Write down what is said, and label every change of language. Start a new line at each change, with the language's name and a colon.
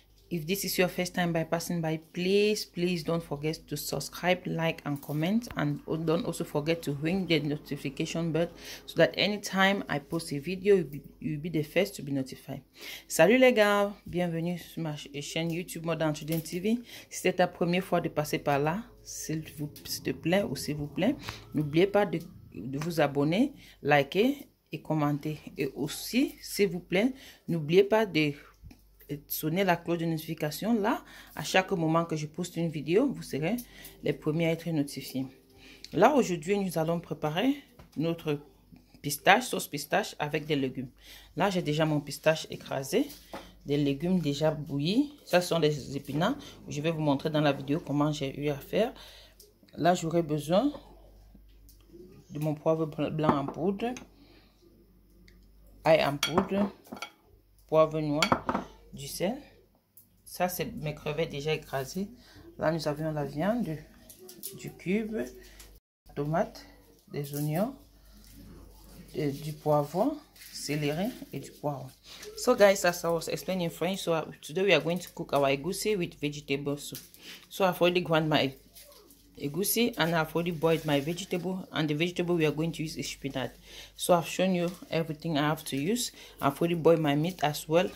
English: If this is your first time bypassing by, please don't forget to subscribe, like and comment, and don't also forget to ring the notification bell so that anytime I post a video you'll be the first to be notified.
French: Salut les gars, bienvenue sur ma chaîne YouTube Mother and Children TV. Si c'est ta première fois de passer par là, s'il vous plaît, n'oubliez pas de vous abonner, liker et commenter. Et aussi, s'il vous plaît, n'oubliez pas de sonner la cloche de notification. Là, à chaque moment que je poste une vidéo, vous serez les premiers à être notifiés. Là, aujourd'hui, nous allons préparer notre pistache, sauce pistache avec des légumes. Là, j'ai déjà mon pistache écrasé, des légumes déjà bouillis. Ce sont des épinards. Je vais vous montrer dans la vidéo comment j'ai eu à faire. Là, j'aurai besoin de mon poivre blanc en poudre, ail en poudre, poivre noir, du sel. Ça, c'est mes crevettes déjà écrasées. Là, nous avions la viande, du cube, tomates, des oignons, du poivron, céleri et du poivre.
English: So guys, as I was explaining in French, so today we are going to cook our eggusi with vegetable soup. So I've already ground my eggusi and I've already boiled my vegetable, and the vegetable we are going to use is spinach. So I've shown you everything I have to use. I've already boiled my meat as well.